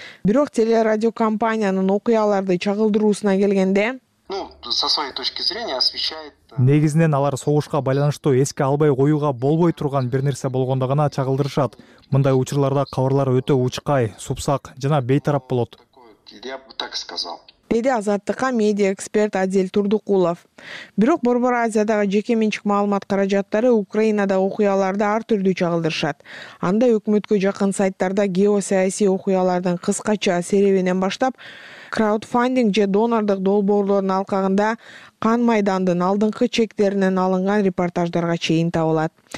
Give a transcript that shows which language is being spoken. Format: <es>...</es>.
<ky>Бирок телерадиокомпаниянын окуяларды чагылдыруусуна келгенде, Негизинен алар согушка байланыштуу эске албай коюуга болбой турган бир нерсе болгондо гана чагылдырышат. Мындай учурларда кабарлар өтө учкай, супсак жана бейтарап болот.</ky> <ru>Я бы так сказал.</ru> <ky>Деди Азаттыкка медиа эксперт Адил Турдукулов. Бирок Борбор Азиядагы жеке менчик маалымат каражаттары Украинадагы окуяларды ар түрдүү чагылдырышат. Анда өкмөткө жакын сайттарда геосаясий окуялардын кыскача серебинен баштап, краудфандинг же донордук долбоорлордун алкагында кан майдандын алдыңкы чектеринен алынган репортаждарга чейин табылат.</ky>